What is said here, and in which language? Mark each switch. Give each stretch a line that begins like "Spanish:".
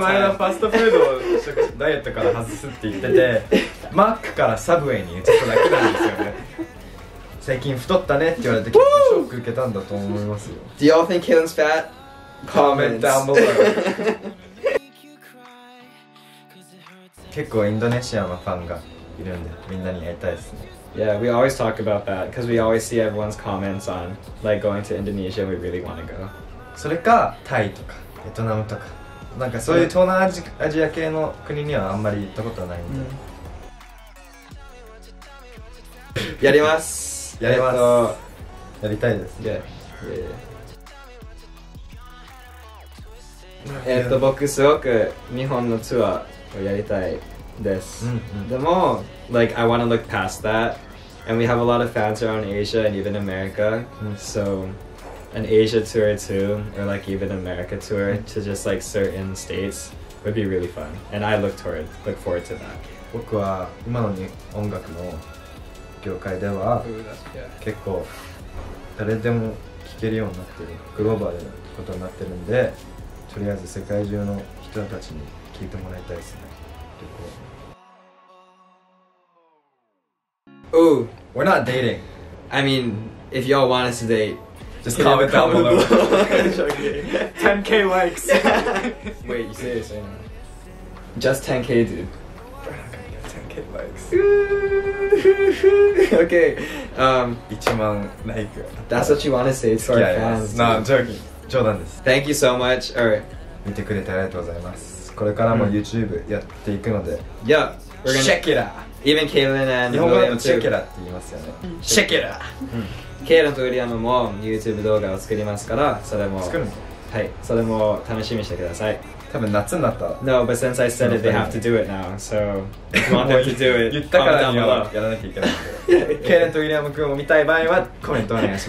Japanese: この間ファストフードをダイエットから外すって言ってて、マックからサブウェイにちょっと楽なんですよね。最近太ったねって言われて結構ショック受けたんだと思いますよ。
English: Do you all think Kaelin's fat? Comment down below.
Japanese: 結構インドネシアのファンがいるんでみんなに会いたいですね。
English: Yeah, we always talk about that because we always see everyone's comments on like going to Indonesia, we really want to go.
Japanese: それかタイとかベトナムとかなんかそういう東南アジア系の国にはあんまり行ったことはないんで、うん、やりますやります。やりたいです、
English: yeah. Yeah.
Japanese: 僕すごく日本のツアーをやりたいです、うんうん、
English: でも、like, I want to look past that and we have a lot of fans around Asia and even America、うん、 so an Asia tour too or like even America tour、うん、to just like certain states would be really fun and I look forward to that.
Japanese: 僕は今の音楽の業界では結構誰でも聴けるようになってるグローバルなことになってるんで、とりあえず世界中の人たちに聞いてもらいたいですね。結
English: 構。Ooh, we're not dating. I mean, if y'all want us to date, just comment down below. 10k likes. Wait, you say this right now? Just 10k, dude. We're not gonna get 10k likes. Okay.
Japanese: 1万 like.
English: That's what you want to say to our fans. No, I'm joking.
Japanese: 冗談です。
English: Thank you so much. All right.
Japanese: 見てくれてありがとうございます。これからも YouTube やっていくので、
English: うん、Yeah, we're gonna check it out. Even Kaelin and William too.
Japanese: 日本語でもチェケラって言いますよね。チェケラ。Kaelin とウィリアムも YouTube 動画を作りますから、それも作るの。はい、それも楽しみにしてください。多分夏になった。
English: No, but since I said it, they have to do it now. So, if you want them to do it,
Japanese: 言ったからにはやらなきゃいけないので。Kaelin とウィリアム君を見たい場合はコメントお願いします。